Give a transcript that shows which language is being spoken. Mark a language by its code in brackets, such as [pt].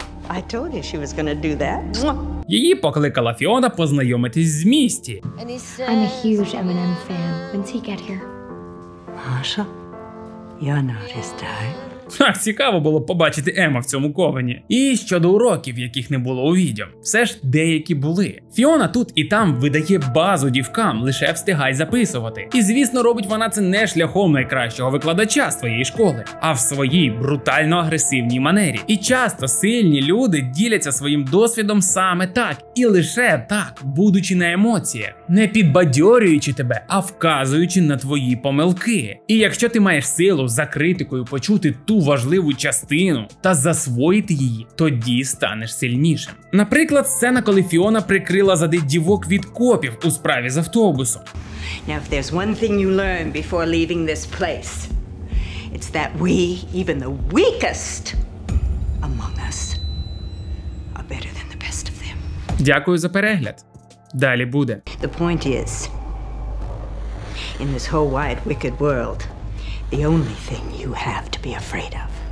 [en] I told you she was gonna do that. [uk] Її покликала Фіона познайомитись з місті. [en] I'm a huge Eminem fan. When's he get here? Маша, you're not his type. [uk] Ах, цікаво було побачити Ема в цьому ковені. І щодо уроків, яких не було у відео. Все ж деякі були. Фіона тут і там видає базу дівкам, лише встигай записувати. І звісно робить вона це не шляхом найкращого викладача своєї школи, а в своїй брутально-агресивній манері. І часто сильні люди діляться своїм досвідом саме так. І лише так, будучи на емоціях. Не підбадьорюючи тебе, а вказуючи на твої помилки. І якщо ти маєш силу за критикою почути ту важливу частину та засвоїти її, тоді станеш сильнішим. Наприклад, сцена, коли Фіона прикрила зади дівок від копів у справі з автобусом. [en] Now, if there's one thing you learn before leaving this place, it's that we, even the weakest among us, are better than the best of them. [uk] Дякую за перегляд. Далі буде. [en] The point is, in this whole wide wicked world, the only thing you have to be afraid of